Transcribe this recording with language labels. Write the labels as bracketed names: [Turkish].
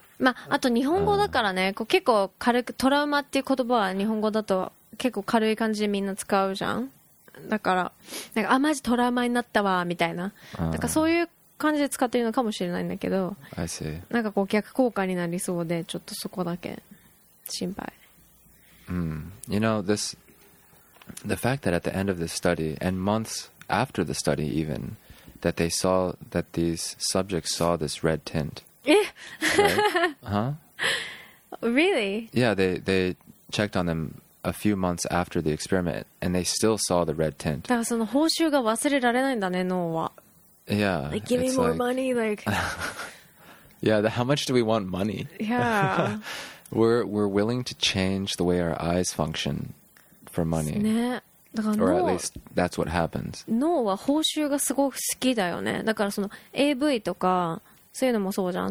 [Japanese] まあ、あと日本語だからね、こう結構軽くトラウマっていう言葉は日本語だと結構軽い感じでみんな使うじゃん。だからなんかあマジトラウマになったわみたいな、だからそういう感じで使ってるのかもしれないんだけど、 [English] I see. [Japanese] なんかこう逆効果になりそうでちょっとそこだけ心配。 [English] You know this, the fact that at the end of the study and months after the study even that they saw that these subjects saw this red tint. Right? Huh? Really? Yeah, they checked on them a few months after the experiment and they still saw the red tint. [Japanese] だからその報酬が忘れられないんだね、脳は。 [English] Yeah, like, give me more like, money, like. Yeah, the, how much do we want money? Yeah, we're willing to change the way our eyes function for money. Yeah, or at least that's what happens. [Japanese] 脳は報酬がすごく好きだよね。だからその AV とかそういうのもそうじゃん。